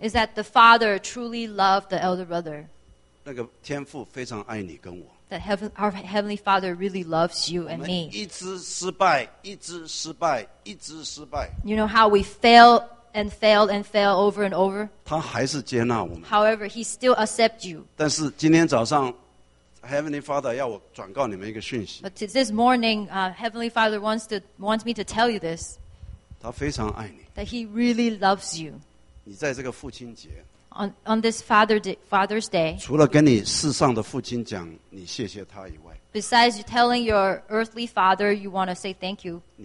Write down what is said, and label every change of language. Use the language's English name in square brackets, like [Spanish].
[English] is that the father truly loved the elder brother. [Chinese] 那个天父非常爱你跟我, [English] that heaven, our heavenly father really loves you and me. [Chinese] 一直失败, 一直失败, 一直失败, [English] you know how we fail and fail and fail over and over? [Chinese] 他还是接纳我们, [English] however, he still accepts you. [Chinese] 但是今天早上, Heavenly Father, 要我转告你们一个讯息, [English] but this morning, Heavenly Father wants me to tell you this. [Chinese] 他非常爱你, [English] that He really loves you. [Chinese] 你在这个父亲节, [English] on this Father's Day, [Chinese] 除了跟你世上的父亲讲你谢谢他以外, [English] besides you telling your earthly father you want to say thank you,